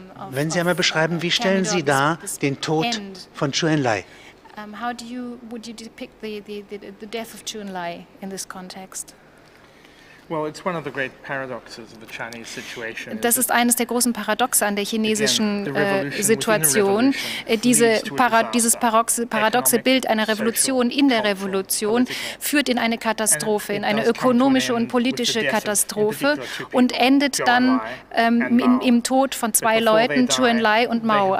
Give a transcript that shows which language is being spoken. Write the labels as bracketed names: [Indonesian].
[German] Wenn Sie einmal beschreiben, wie stellen Sie da den Tod von Chu Enlai? [English] How do you would you depict the death of Chu Enlai in this context? Well, it's one of the great paradoxes of the Chinese situation. [German] Das ist eines der großen Paradoxe an der chinesischen Situation. Dieses paradoxe Bild einer Revolution in der Revolution führt in eine Katastrophe, in eine ökonomische und politische Katastrophe und endet dann im Tod von zwei Leuten, Chu Enlai und Mao.